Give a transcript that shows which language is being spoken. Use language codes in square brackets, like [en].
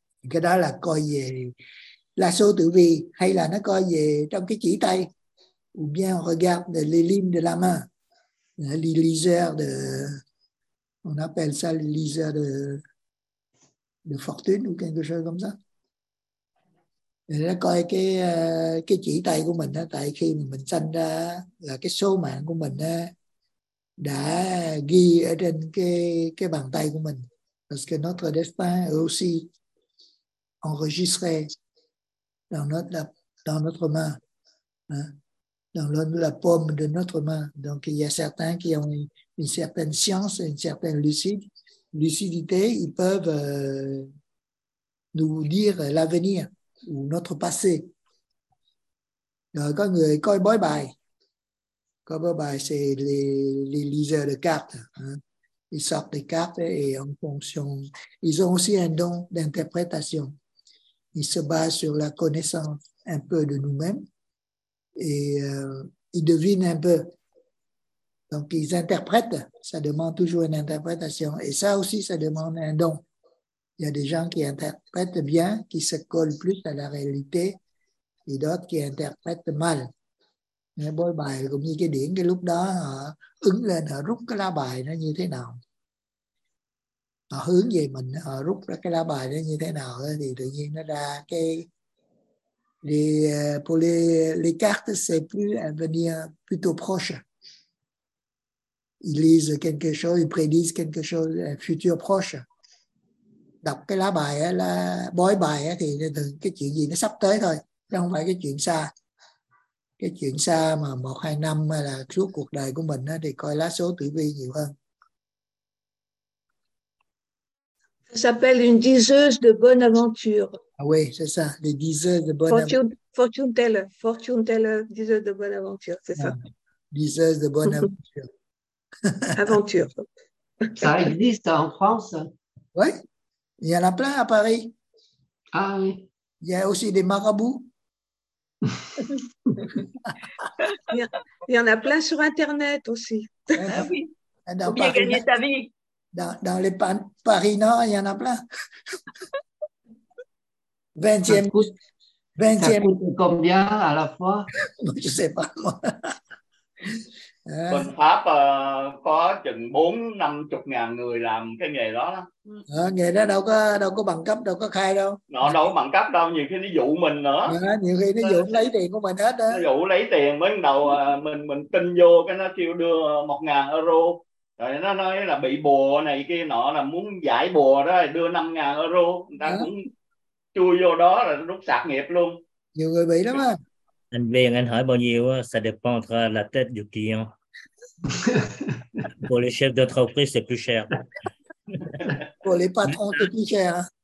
[vi] Cái đó là coi về lá số tử vi, hay là nó coi về trong cái chỉ tay [fr] ou bien regarde les lignes de la main, les liseurs de, on appelle ça les liseurs de fortune ou quelque chose comme ça. [vi] Nó coi cái chỉ tay của mình, tại khi mình sanh ra là cái số mạng của mình đã ghi ở trên cái bàn tay của mình. [fr] Parce que notre destin est aussi enregistré dans notre main. Dans la paume de notre main. Donc il y a certains qui ont une certaine science, une certaine lucidité, ils peuvent nous dire l'avenir. Ou notre passé. [vi] Rồi có người coi bói bài. Coi bói bài, [fr] c'est les liseurs de cartes. Ils sortent des cartes et en fonction. Ils ont aussi un don d'interprétation. Ils se basent sur la connaissance un peu de nous-mêmes et ils devinent un peu. Donc ils interprètent. Ça demande toujours une interprétation. Et ça aussi, ça demande un don. Il y a des gens qui interprètent bien, qui se collent plus à la réalité, et d'autres qui interprètent mal. Mais bon, [vi] bài cũng như cái điển cái lúc đó họ ứng lên họ rút cái lá bài nó như thế nào, họ hướng về mình họ rút ra cái lá bài nó như thế nào thì tự nhiên nó ra cái. [fr] Pour les cartes c'est plus un avenir plutôt proche. Ils lisent quelque chose, ils prédisent quelque chose, un futur proche. [vi] Đọc cái lá bài á, là bói bài á, thì thường cái chuyện gì nó sắp tới thôi, chứ không phải cái chuyện xa. Cái chuyện xa mà 1-2 năm hay là suốt cuộc đời của mình á, thì coi lá số tử vi nhiều hơn. [fr] Ça s'appelle une diseuse de bonne aventure. Ah oui, c'est ça, les diseuses de bonne aventure. [en] Fortune teller, [fr] diseuse de bonne aventure, c'est ça. Diseuse de bonne aventure. Aventure. Ça existe en France. Oui. Il y en a plein à Paris. Ah oui. Il y a aussi des marabouts. Il y en a plein sur Internet aussi. Ah oui. Dans Paris, gagner ta vie. Dans les Paris Nord, il y en a plein. 20e. Ça coûte, 20e. Ça coûte combien à la fois? Je ne sais pas moi. [vi] Bình Pháp có chừng 40-50 ngàn người làm cái nghề đó. Nghề đó đâu có bằng cấp, đâu có khai đâu. Nó đâu có bằng cấp đâu, nhiều khi nó dụ mình nữa. Nhiều khi nó dụ lấy tiền của mình hết đó. Nó dụ lấy tiền mới đầu mình tin vô, cái nó kêu đưa 1.000 euro. Rồi nó nói là bị bùa này kia nọ, là muốn giải bùa đó thì đưa 5.000 euro. Người ta cũng chui vô đó là rút sạc nghiệp luôn. Nhiều người bị lắm á. [fr] Anh Viên, [vi] anh hỏi bao nhiêu, [fr] ça dépend entre la tête du client. Pour les chefs d'entreprise, c'est plus cher. Pour les patrons, c'est plus cher.